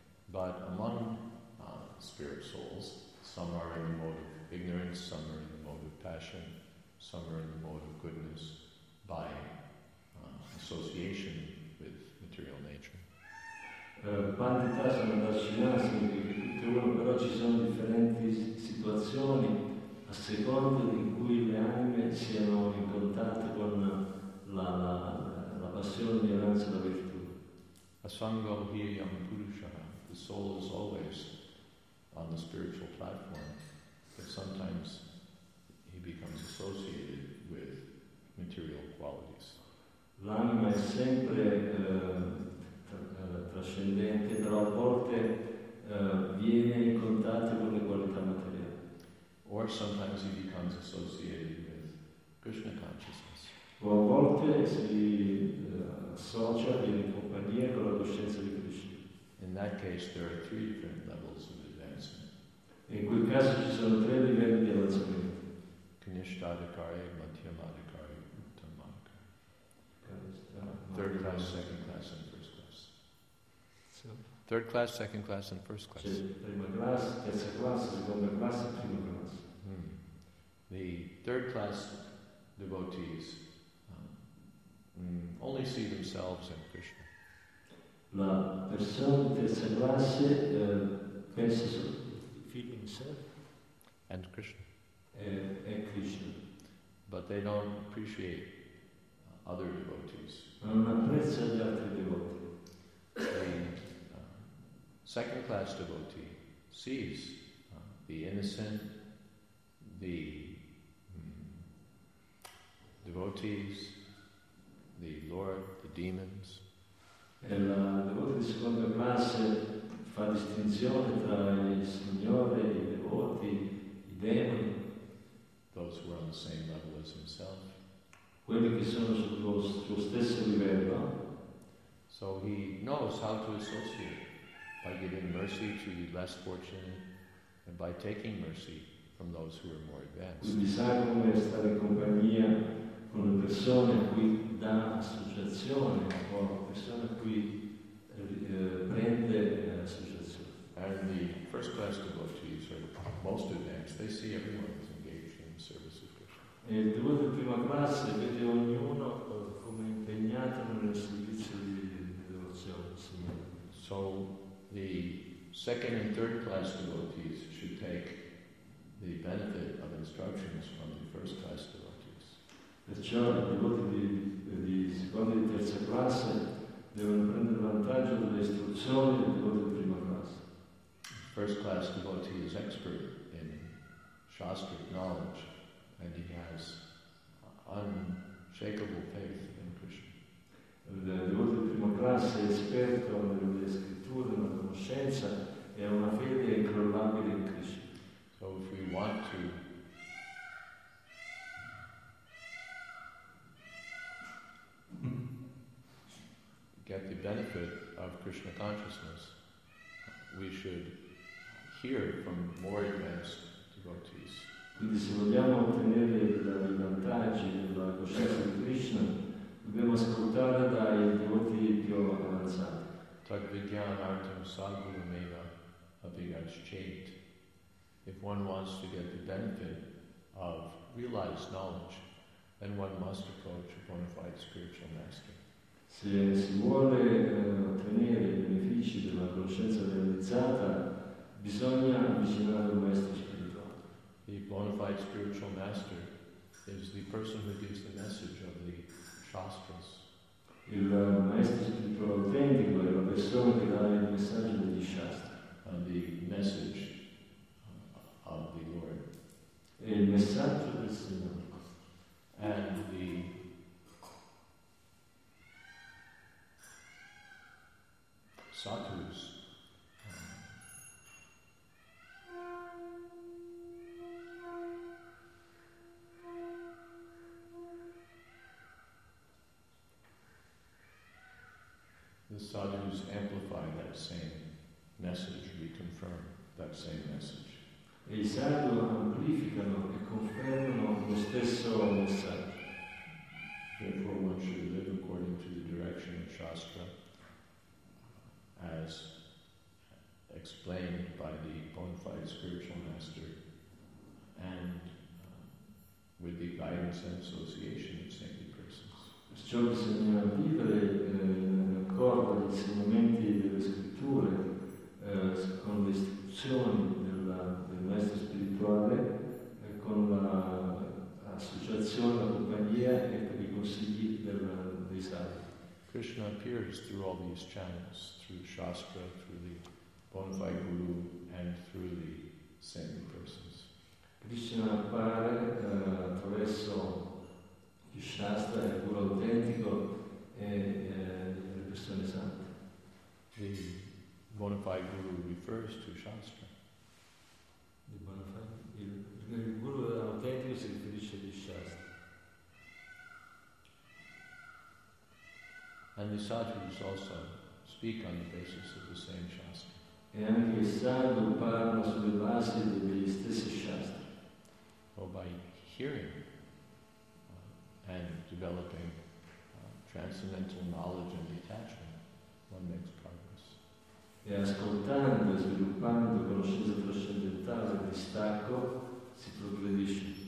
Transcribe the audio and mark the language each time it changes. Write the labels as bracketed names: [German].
[English] But among spirit souls, some are in the mode of ignorance, some are in the mode of passion, some are in the mode of goodness by association with material nature. [Italian] Pandita Samadarshana significa che uno, però ci sono differenti situazioni a seconda di cui le anime siano in contatto con la passione, l'ignoranza, la virtù. [Sanskrit] Asanga Hiyam Purusha, [English] the soul is always on the spiritual platform, but sometimes he becomes associated with material qualities. [Italian] L'anima è sempre trascendente, però a volte viene in contatto con le qualità materiali. [English] Or sometimes he becomes associated with Krishna consciousness. [Italian] O a volte si associa, viene in compagnia con la coscienza di Krishna. [English] In that case, there are three different levels of advancement. [Italian] In quel caso ci sono tre livelli di avanzamento. [Sanskrit] Kanishtadhikari, Madhyamadhikari, Uttamadhikari. [English] Third class, second class, and first class. Third class, second class, and first class. [Italian] C'è prima classe, terza classe, seconda classe, prima classe. [English] The third class devotees only see themselves in Krishna. [Italian] La persona di terza classe pensa solo in sé. [English] And Krishna. [Italian] E Krishna. [English] But they don't appreciate other devotees. [Italian] Ma non apprezza gli altri devoti. [English] Second class devotee sees the innocent, the devotees, the Lord, the demons. [Italian] E la devota di seconda classe fa distinzione tra il Signore, i devoti, i demoni. [English] Those who are on the same level as himself. [Italian] Quelli che sono sullo stesso livello. [English] So he knows how to associate by giving mercy to the less fortunate and by taking mercy from those who are more advanced. [Italian] Quindi sa come stare in compagnia con le persone a cui dà associazione o la persona a cui prende associazione. [English] And the first class devotees are most advanced. They see everyone as engaged in the service of Krishna. [Italian] E il devoto di prima classe vede ognuno come impegnato nel servizio di devozione al Signore. [English] So the second and third class devotees should take the benefit of instructions from the first class devotees. [Italian] Perciò i devoti di seconda e terza classe devono prendere vantaggio delle istruzioni del devoto di prima classe. [English] First class devotee is expert in shastric knowledge and he has unshakable faith in Krishna. [Italian] Il devoto di prima classe è esperto nelle scritture, nella conoscenza e ha una fede incrollabile in Krishna. [English] So if we want to get the benefit of Krishna consciousness, we should hear from more advanced devotees. [Italian] Quindi se vogliamo ottenere i vantaggi della coscienza di Krishna, dobbiamo ascoltare dai devoti più avanzati. [Sanskrit] Tad vidyan artam sadgurum eva abhigacchet. [English] If one wants to get the benefit of realized knowledge, then one must approach a bona fide spiritual master. [Italian] Se si vuole ottenere i benefici della coscienza realizzata, bisogna avvicinare un maestro spirituale. [English] The bona fide spiritual master is the person who gives the message of the shastras. [Italian] Il maestro spirituale autentico è la persona che dà il messaggio degli shastra. [English] And the message of the Lord. [Italian] Il messaggio del Signore. [English] And the sattvas the sattvas amplify that same message, reconfirm that same message. [Italian] E i sadhu amplificano e confermano lo stesso messaggio. [English] Therefore one should live according to the direction of Shastra as explained by the bona fide spiritual master and with the guidance and association of saintly persons. [Italian] Perciò bisogna vivere in accordo agli insegnamenti delle scritture con le istruzioni del maestro spirituale e con l'associazione, la compagnia e per i consigli dei sadhu. [English] Krishna appears through all these channels, through Shastra, through the bona fide guru and through the saintly persons. [Italian] Krishna appare attraverso il Shastra, il guru autentico e le persone sante. [English] The bona fide guru refers to Shastra. The bona fide guru [Italian] autentico si riferisce di Shastra. [English] And the sadhus also speak on the basis of the same Shastra. [Italian] E anche il sadhu parla sulle basi degli stessi Shastra. [English] Or by hearing and developing transcendental knowledge and detachment, one makes progress. [Italian] E ascoltando e sviluppando conoscenza trascendentale e distacco, si progredisce.